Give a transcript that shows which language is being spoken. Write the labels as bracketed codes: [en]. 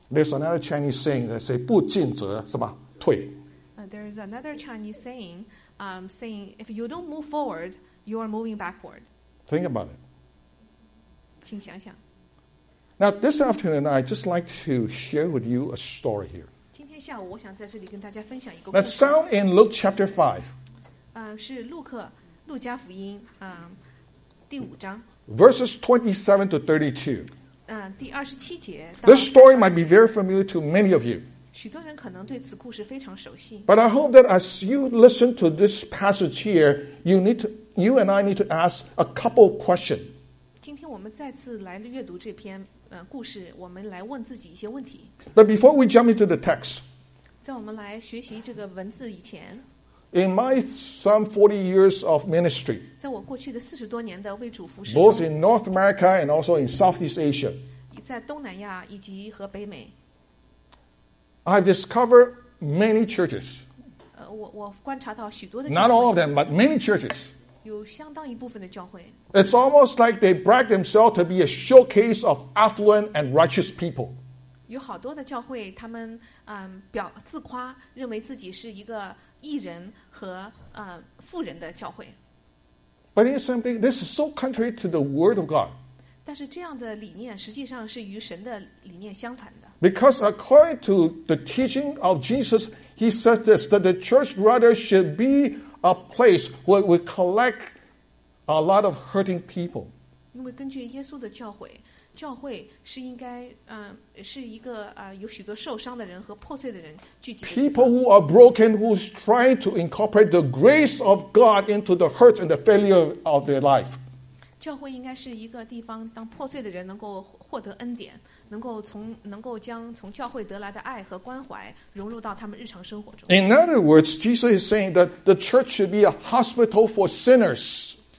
[en] There's another Chinese saying that say [zh] 不进则是吧？退。 [en] There is another Chinese saying, saying if you don't move forward, you are moving backward. Think about it. [zh] 请想想。 [en] Now this afternoon, I just like to share with you a story here. [zh] 今天下午，我想在这里跟大家分享一个故事。 [en] That's found in Luke chapter 5. [zh] 是路加福音第五章。 [en] Verses 27 to 32. [zh] 第27节, [en] this story might be very familiar to many of you. [zh] 许多人可能对此故事非常熟悉。 [en] But I hope that as you listen to this passage here, you and I need to ask a couple of questions. [zh] 今天我们再次来阅读这篇, 故事, 我们来问自己一些问题。 [en] But before we jump into the text, [zh] 在我们来学习这个文字以前, [en] in my some 40 years of ministry, both in North America and also in Southeast Asia, I've discovered many churches. Not all of them, but many churches. It's almost like they brag themselves to be a showcase of affluent and righteous people. [zh] 有好多的教会他们, 自夸, 认为自己是一个 艺人和富人的教会。 [en] But here's something, this is so contrary to the word of God. [zh] 但是这样的理念实际上是与神的理念相反的。 [en] Because according to the teaching of Jesus, He says this, that the church rather should be a place where we collect a lot of hurting people. [zh] 因为根据耶稣的教会，教会是应该是一个有许多受伤的人和破碎的人聚集。 [en] People who are broken, who is trying to incorporate the grace of God into the hurts and the failure of their life. [zh] 教会应该是一个地方，当破碎的人能够获得恩典，能够从教会得来的爱和关怀融入到他们日常生活中。 [en] In other words, Jesus is saying that the church should be a hospital for sinners.